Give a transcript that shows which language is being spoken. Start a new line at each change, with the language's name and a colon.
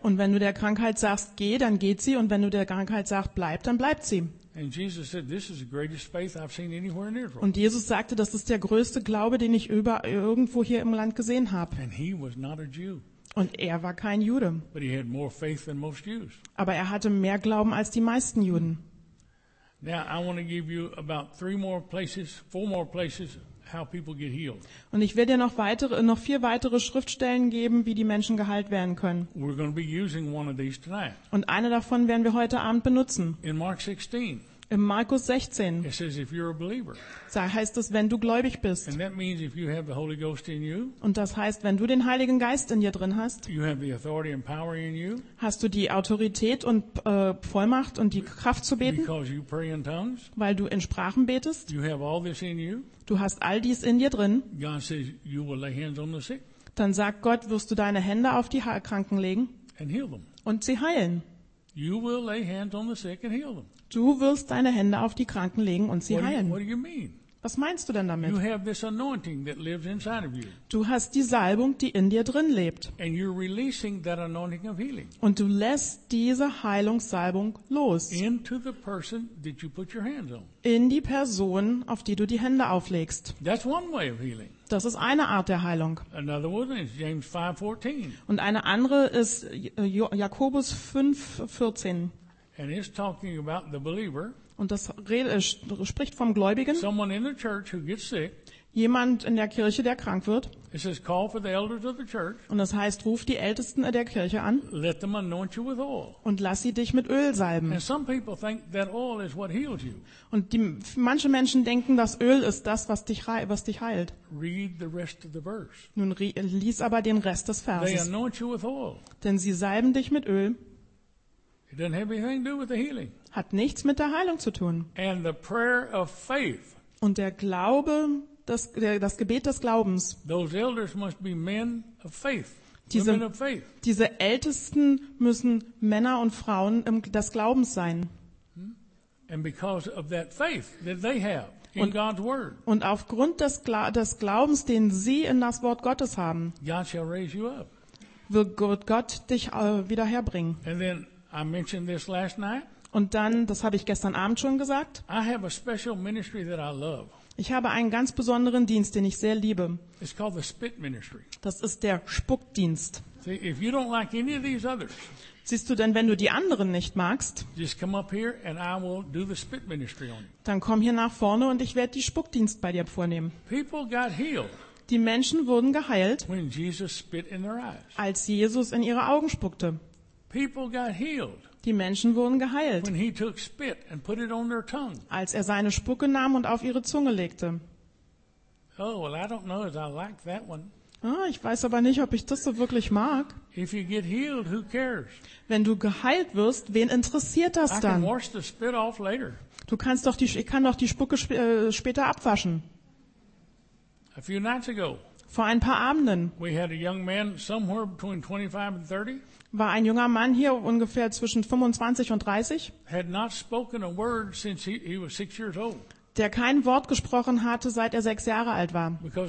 German: Und wenn du der Krankheit sagst, geh, dann geht sie. Und wenn du der Krankheit sagst, bleib, dann bleibt sie.
English: And Jesus said, this is the greatest faith I've seen anywhere in Israel.
German: Und Jesus sagte, das ist der größte Glaube, den ich irgendwo hier im Land gesehen habe.
English: And he was not a Jew.
German: Und er war kein Jude.
English: But he had more faith than most Jews.
German: Aber er hatte mehr Glauben als die meisten Juden.
English: Now I want to give you about three more places, four more places how people get healed.
German: Und ich werde dir noch vier weitere Schriftstellen geben, wie die Menschen geheilt werden können.
English: We're going to be using one of these tonight.
German: Und eine davon werden wir heute Abend benutzen.
English: In Mark 16.
German: In Markus 16.
English: It says if you're a believer.
German: Da heißt es, wenn du gläubig bist.
English: And that means if you have the Holy Ghost in you.
German: Und das heißt, wenn du den Heiligen Geist in dir drin hast.
English: You have the authority and power in you.
German: Hast du die Autorität und Vollmacht und die Kraft zu beten?
English: Because you pray in tongues.
German: Weil du in Sprachen betest.
English: You have all this in you.
German: Du hast all dies in dir drin.
English: God says you will lay hands on the sick.
German: Dann sagt Gott, wirst du deine Hände auf die Kranken legen.
English: And heal them.
German: Und sie heilen.
English: You will lay hands on the sick and heal them.
German: Du wirst deine Hände auf die Kranken legen und sie heilen.
English: What do you mean?
German: Was meinst du denn damit?
English: You have this anointing that lives inside of you.
German: Du hast die Salbung, die in dir drin lebt.
English: And you're releasing that anointing of healing.
German: Und du lässt diese Heilungssalbung los.
English: Into the person that you put your hands on.
German: In die Person, auf die du die Hände auflegst.
English: That's one way of healing.
German: Das ist eine Art der Heilung.
English: Another one is James 5:14.
German: Und eine andere ist Jakobus 5:14.
English: And it's talking about the believer.
German: Und das spricht vom Gläubigen.
English: Someone in the church who gets sick.
German: Jemand in der Kirche, der krank wird.
English: It says, call for the elders of the church.
German: Und das heißt, ruf die Ältesten der Kirche an.
English: Let them anoint you with oil.
German: Und lass sie dich mit Öl salben.
English: And some people think that oil is what heals you.
German: Und manche Menschen denken, das Öl ist das, was dich heilt.
English: Read the rest of the verse.
German: Nun lies aber den Rest des Verses.
English: They anoint you with oil.
German: Denn sie salben dich mit Öl.
English: It doesn't have anything to do with the healing.
German: Hat nichts mit der Heilung zu tun.
English: And the prayer of faith.
German: Und der Glaube, das Gebet des Glaubens.
English: Those elders must be men of faith.
German: Diese Ältesten müssen Männer und Frauen des Glaubens sein.
English: And because of that faith that they have in God's word.
German: Und aufgrund des Glaubens, den sie in das Wort Gottes haben,
English: God shall raise you up.
German: Wird Gott dich wieder herbringen.
English: And then I mentioned this last night.
German: Und dann, das habe ich gestern Abend schon gesagt.
English: I have a special ministry that I love.
German: Ich habe einen ganz besonderen Dienst, den ich sehr liebe.
English: It's called the spit ministry.
German: Das ist der Spuckdienst.
English: See, if you don't like any of these others,
German: siehst du denn, wenn du die anderen nicht magst,
English: just come up here and I will do the spit ministry on you.
German: Dann komm hier nach vorne und ich werde die Spuckdienst bei dir vornehmen.
English: People got healed.
German: Die Menschen wurden geheilt,
English: when Jesus spit in their eyes.
German: Als Jesus in ihre Augen spuckte.
English: People got healed.
German: Die Menschen wurden geheilt.
English: When he took spit and put it on their tongue.
German: Als er seine Spucke nahm und auf ihre Zunge legte.
English: Oh, well, I don't know if I like that one.
German: Ah, ich weiß aber nicht, ob ich das so wirklich mag.
English: If you get healed, who cares?
German: Wenn du geheilt wirst, wen interessiert das dann?
English: I can wash the spit off later.
German: Du kannst doch die, ich kann doch die Spucke später abwaschen.
English: A few nights ago,
German: vor ein paar Abenden,
English: we had a young man somewhere between 25 and 30,
German: war ein junger Mann hier ungefähr zwischen 25 und 30,
English: had not spoken a word since he was 6 years old.
German: Der kein Wort gesprochen hatte, seit er 6 Jahre alt war.